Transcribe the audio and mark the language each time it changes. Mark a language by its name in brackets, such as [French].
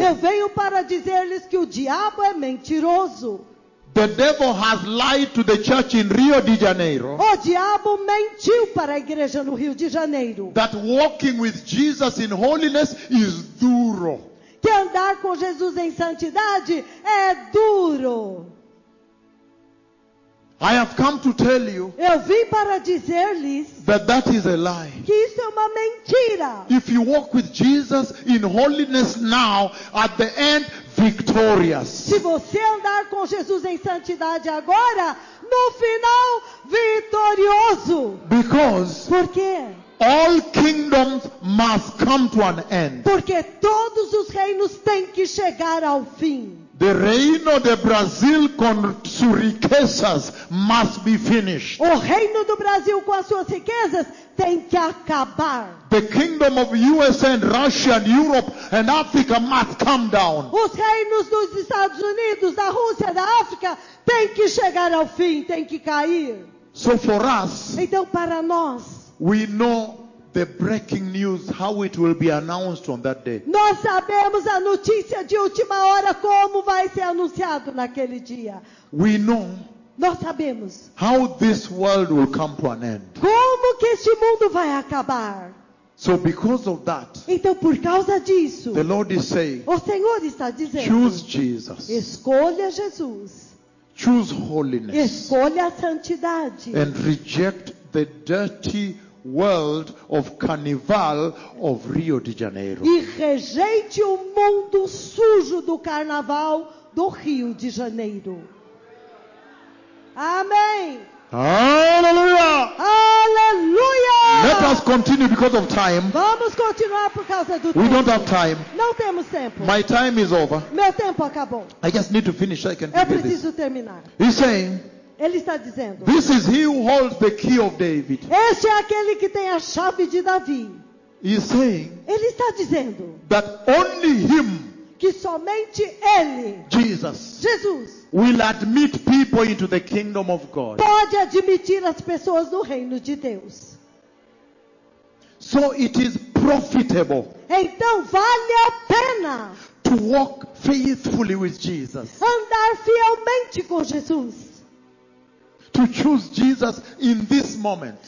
[Portuguese] Eu venho para dizer-lhes que o diabo é mentiroso. [English] The devil has lied to the church in Rio de Janeiro. [Portuguese] O diabo mentiu para a igreja no Rio de Janeiro. [English] That walking with Jesus in holiness is [Portuguese] duro. Que andar com Jesus em santidade é duro. [English] I have come to tell you. [Portuguese] Eu vim para dizer-lhes [English] that is a lie. [Portuguese] Que isso é uma mentira. [English] If you walk with Jesus in holiness now, at the end, victorious. [Portuguese] Se você andar com Jesus em santidade agora, no final, vitorioso. [English] Because. [Portuguese] Por quê? [English] All kingdoms must come to an end. [Portuguese] Porque todos os reinos têm que chegar ao fim. [English] The [Portuguese] reino de Brasil com suas riquezas [English] must be finished. [Portuguese] O reino do Brasil com as suas riquezas tem que acabar. [English] The kingdom of USA and Russia and Europe and Africa must come down. [Portuguese] Os reinos dos Estados Unidos, da Rússia, da África tem que chegar ao fim, tem que cair. [English] So for us. [Portuguese] Então para nós. [English] We know the breaking news, how it will be announced on that day. [Portuguese] Nós sabemos a notícia de última hora, como vai ser anunciado naquele dia. [English] We know. [Portuguese] Nós sabemos. [English] How this world will come to an end. [Portuguese] Como que este mundo vai acabar. [English] So because of that. [Portuguese] Então por causa disso. [English] The Lord is saying. [Portuguese] O Senhor está dizendo. [English] Choose Jesus. [Portuguese] Escolha Jesus. [English] Choose holiness. [Portuguese] Escolha a santidade. [English] And reject the dirty world of carnival of Rio de Janeiro. [Portuguese] E rejeite o mundo sujo do carnaval do Rio de Janeiro. Amém. Aleluia. Aleluia. [English] Let us continue because of time. [Portuguese] Vamos continuar por causa do [English] we [Portuguese] tempo. [English] We don't have time. [Portuguese] Não temos tempo. [English] My time is over. [Portuguese] Meu tempo acabou. [English] I just need to finish so I can finish. [Portuguese] Eu preciso terminar. [English] He's saying. [Portuguese] Ele está dizendo. [English] This is he who holds the key of David. [Portuguese] Este é aquele que tem a chave de Davi. [English] He's saying. [Portuguese] Ele está dizendo. [English] That only him. [Portuguese] Que somente ele. [English] Jesus. [Portuguese] Jesus. [English] Will admit people into the kingdom of God. [Portuguese] Pode admitir as pessoas no reino de Deus. [English] So it is profitable. [Portuguese] Então vale a pena. [English] To walk faithfully with Jesus. [Portuguese] Andar fielmente com Jesus. [English] To choose Jesus in this moment.